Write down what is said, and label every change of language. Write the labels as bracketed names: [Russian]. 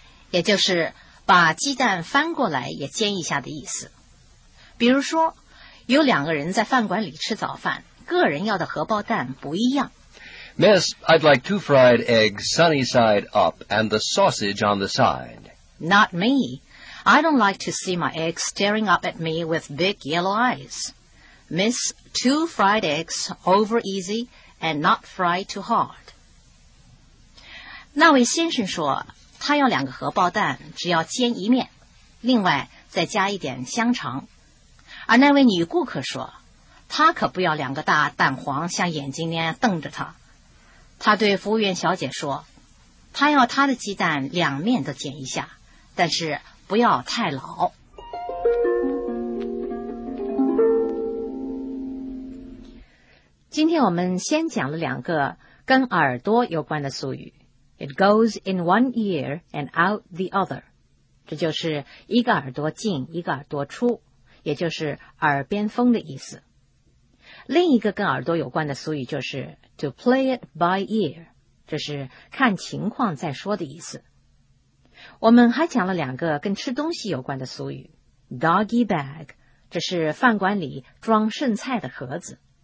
[Chinese] 也就是把鸡蛋翻过来也煎一下的意思。比如说，有两个人在饭馆里吃早饭，个人要的荷包蛋不一样。 [English] Miss, I'd like two fried eggs sunny side up and the sausage on the side. Not me. I don't like to see my eggs staring up at me with big yellow eyes. Miss, two fried eggs over easy and not fried too hard. [Chinese] 那位先生说，他要两个荷包蛋，只要煎一面，另外再加一点香肠。而那位女顾客说，她可不要两个大蛋黄像眼睛那样瞪着她。她对服务员小姐说，她要她的鸡蛋两面都煎一下，但是不要太老。今天我们先讲了两个跟耳朵有关的俗语。 [English] It goes in one ear and out the other. [Chinese] 这就是一个耳朵进一个耳朵出，也就是耳边风的意思。另一个跟耳朵有关的俗语就是 [English] to play it by ear. [Chinese] 这是看情况再说的意思。我们还讲了两个跟吃东西有关的俗语 Doggy bag 这是饭馆里装剩菜的盒子